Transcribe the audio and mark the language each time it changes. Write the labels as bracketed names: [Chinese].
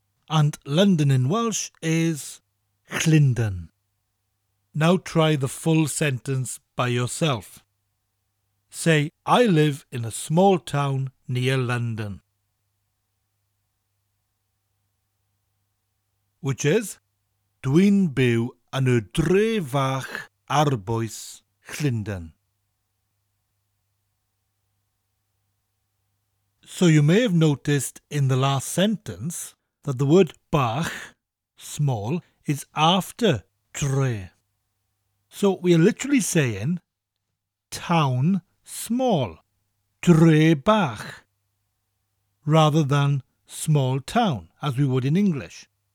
[English] And London in Welsh is Llundain. Now try the full sentence by yourself. Say, I live in a small town near London. Which is? [Welsh] Dwi'n byw yn y dre fach arbois Llundain. [English] So you may have noticed in the last sentence that the word bach, small, is after dre. So we are literally saying town small, dre bach, rather than small town, as we would in English.